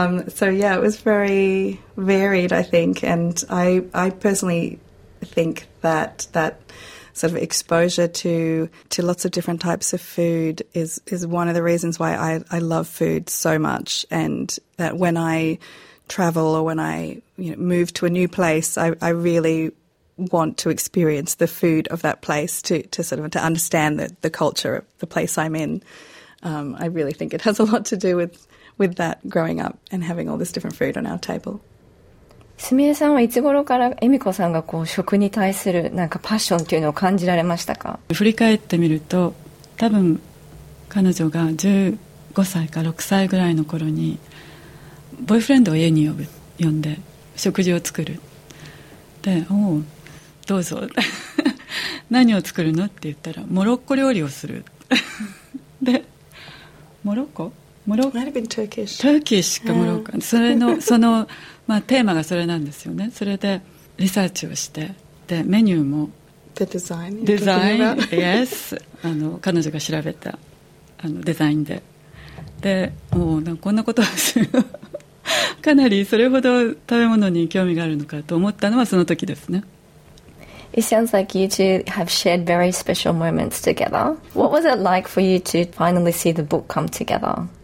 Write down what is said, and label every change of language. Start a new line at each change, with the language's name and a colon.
English: So yeah, it was very varied, I think. And I personally think that sort of exposure to lots of different types of food is one of the reasons why I love food so much, and that when I travel or when I, you know, move to a new place, I really want to experience the food of that place to understand the culture of the place I'm in. I really think it has a lot to do with that growing up and having all this different food on our table.
Japanese: すみれさんはいつ頃から恵美子さんがこう食に対するなんかパッションというのを感じられましたか？振り返ってみると、多分彼女が15歳か6歳ぐらいの頃にボーイフレンドを家に呼んで食事を作る。で、おお、どうぞ何を作るのって言ったら、モロッコ料理をするで、モロッコ、モロッコ、それのその、まあ、テーマがそれなんですよね。それでリサーチをして、でメニューも
English: The design
Japanese: デザイン、yes、あの彼女が調べたあのデザインで、でもうなんかこんなことはするかなりそれほど食べ物に興味があるのかと思ったのはその時ですね。
English: It sounds like you two have shared very special moments together. What was it like for you to finally see the book come together?